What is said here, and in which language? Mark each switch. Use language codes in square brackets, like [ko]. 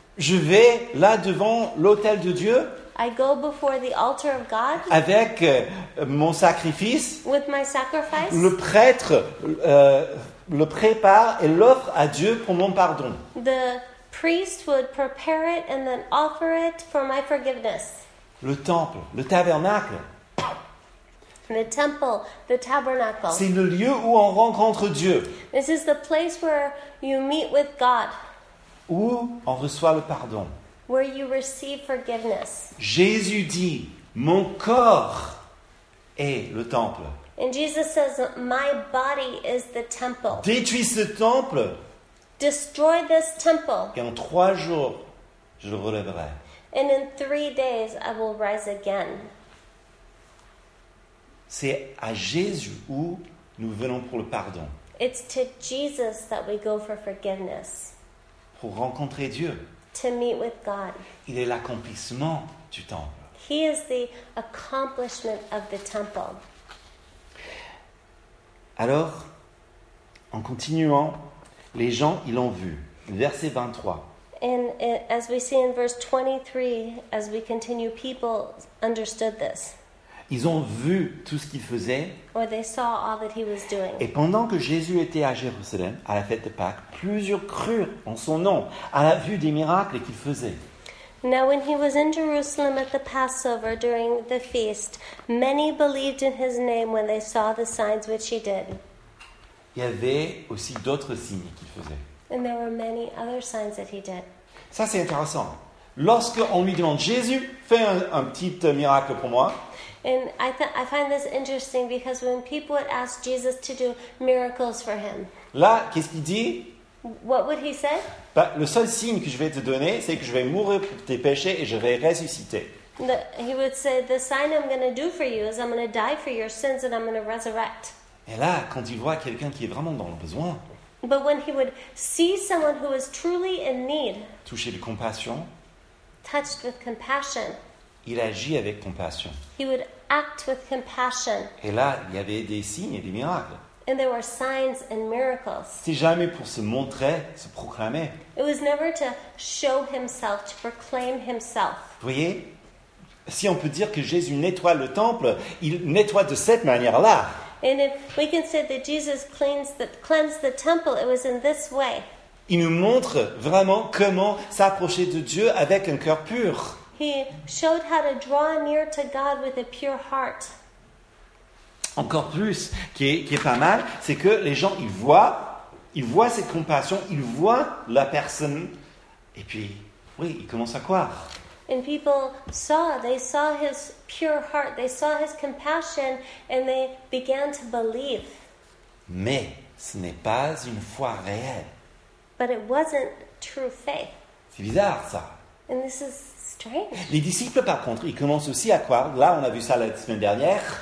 [fr] Je vais là devant l'autel de Dieu. [en] I go before the altar of God. [fr] Avec mon sacrifice. [en] With my sacrifice. [fr] Le prêtre le prépare et l'offre à Dieu pour mon pardon. [en] The priest would prepare it and then offer it for my forgiveness. [fr] Le temple, le tabernacle. [en] The temple, the tabernacle. [fr] C'est le lieu où on rencontre Dieu. [en] This is the place where you meet with God. [fr] Où on reçoit le pardon. [en] Where you receive forgiveness. [fr] Jésus dit, mon corps est le temple. [en] And Jesus says, my body is the temple. [fr] Détruis ce temple. [en] Destroy this temple. [fr] Et en 3 jours, je le relèverai. [en] And in 3 days, I will rise again. [fr] C'est à Jésus où nous venons pour le pardon. [en] It's to Jesus that we go for forgiveness. [fr] Pour rencontrer Dieu. [en] To meet with God. [fr] Il est l'accomplissement du temple. [en] He is the accomplishment of the temple. [fr] Alors, en continuant, les gens, ils l'ont vu. Verset 23. [en] And as we see in verse 23, as we continue, people understood this. [fr] Ils ont vu tout ce qu'il faisait. [en] Or they saw all that he was doing. [fr] Et pendant que Jésus était à Jérusalem, à la fête de Pâques, plusieurs crurent en son nom, à la vue des miracles qu'il faisait. [en] Now when he was in Jerusalem at the Passover during the feast, many believed in his name when they saw the signs which he did. [fr] Il y avait aussi d'autres signes qu'il faisait. [en] And there were many other signs that he did. [fr] Ça c'est intéressant. Lorsqu'on lui demande, Jésus, fais un petit miracle pour moi. [en] And I find this interesting because when people would ask Jesus to do miracles for him. [fr] Là, qu'est-ce qu'il dit? [en] What would he say? [fr] Bah, le seul signe que je vais te donner, c'est que je vais mourir pour tes péchés et je vais ressusciter. [en] He would say, the sign I'm going to do for you is I'm going to die for your sins and I'm going to resurrect. [fr] Et là, quand il voit quelqu'un qui est vraiment dans le besoin. [en] But when he would see someone who was truly in need. [fr] Touché de compassion. [en] Touched with compassion. [fr] Il agit avec compassion. [en] He would act with compassion. [fr] Et là, il y avait des signes et des miracles. [en] And there were signs and miracles. [fr] C'est jamais pour se montrer, se proclamer. [en] It was never to show himself, to proclaim himself. [fr] Vous voyez, Si on peut dire que Jésus nettoie le temple, il nettoie de cette manière-là. [en] And if we can say that Jesus cleansed the temple, it was in this way. [fr] Il nous montre vraiment comment s'approcher de Dieu avec un cœur pur. [en] He showed how to draw near to God with a pure heart. [fr] Encore plus, qui est pas mal, c'est que les gens, ils voient cette compassion, ils voient la personne, et puis, oui, ils commencent à croire. [en] And people saw, they saw his pure heart, they saw his compassion, and they began to believe. [fr] Mais ce n'est pas une foi réelle. [en] But it wasn't true faith. [fr] C'est bizarre, ça. [en] And this is strange. [fr] Les disciples, par contre, ils commencent aussi à croire. Là, on a vu ça la semaine dernière.